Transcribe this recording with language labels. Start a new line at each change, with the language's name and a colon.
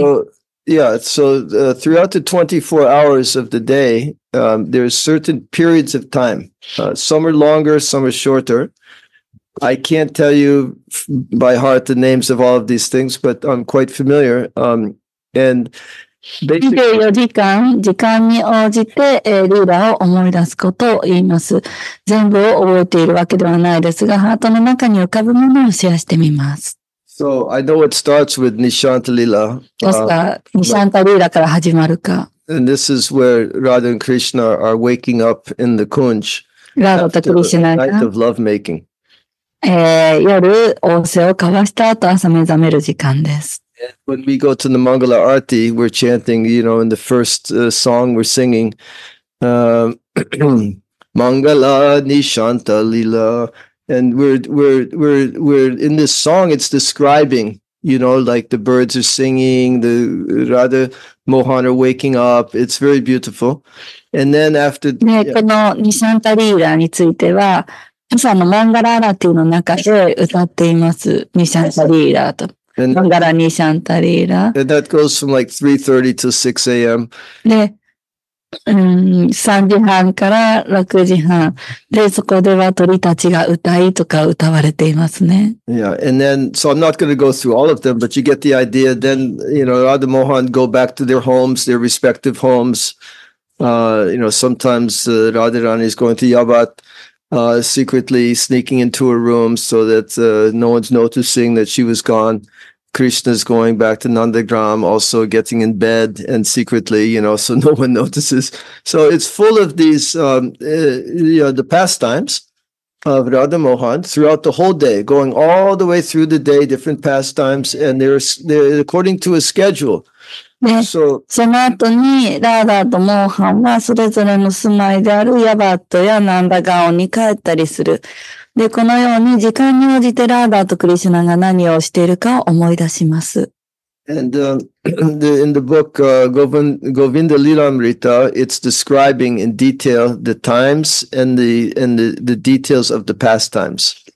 English: So, throughout the 24 hours of the day, there are certain periods of time. Some are longer, some are shorter. I can't tell you by heart the names of all of these things, but I'm quite familiar. And
Japanese: 24時間、時間に応じて、ルーラーを思い出すことを言います。全部を覚えているわけではないですが、ハートの中に浮かぶものをシェアしてみます。
English: So, I know it starts with Nishanta Leela.
Japanese: Nishanta Leela から始まるか。
English: And this is where Radha and Krishna are waking up in the Kunj. Radha to Krishna. Night of lovemaking.
Japanese: 夜、仰せを交わした後、朝目覚める時間です。
English: When we go to the Mangala Arati, we're chanting, you know, in the first song we're singing, Mangala Nishanta Leela. And we're in this song, it's describing, you know, like the birds are singing, the Radha Mohan are waking up. It's very beautiful. And then after
Japanese: ね、yeah. このNishanta Leela については、朝のマンガラアラティの中で歌っています。 Nishanta Leela と。マンガラニシャンタリーラ。
English: And that goes from like 3:30 to 6 a.m.
Japanese: で、3時半から6時半。で、そこでは鳥たちが歌いとか歌われていますね。
English: Yeah, and then, so I'm not going to go through all of them, but you get the idea. Then, you know, Radha Mohan go back to their homes, their respective homes. You know, sometimes Radha Rani is going to Yabat. Secretly sneaking into her room so that no one's noticing that she was gone. Krishna's going back to Nandagram, also getting in bed and secretly, you know, so no one notices. So it's full of these, you know, the pastimes of Radha Mohan throughout the whole day, going all the way through the day, different pastimes, and they're according to a schedule.
Japanese: ね、その後に、ラーダーとモーハンは、それぞれの住まいであるヤバットやナンダガオンに帰ったりする。で、このように、時間に応じてラーダーとクリシュナが何をしているかを思い出します。
English: And, in the book, Govinda Lilamrita, it's describing in detail the times and the details of the pastimes.